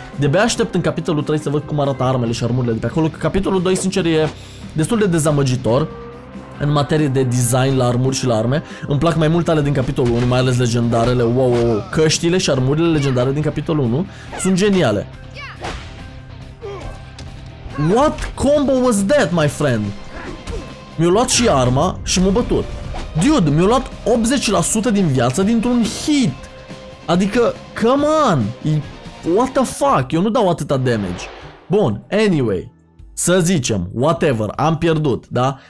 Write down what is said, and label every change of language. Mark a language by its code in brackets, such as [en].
[ro] De-abia aștept în capitolul 3 să văd cum arată armele și armurile de pe acolo, că capitolul 2, sincer, e destul de dezamăgitor în materie de design la armuri și la arme. Îmi plac mai mult ale din capitolul 1, mai ales legendarele, wow, căștile și armurile legendare din capitolul 1 sunt geniale. [en] What combo was that, my friend? [ro] Mi-a luat și arma și m-a bătut. Dude, mi-a luat 80% din viață dintr-un hit. Adică, [en] come on, what the fuck, [ro] eu nu dau atâta damage. Bun, anyway, să zicem, whatever, am pierdut, da?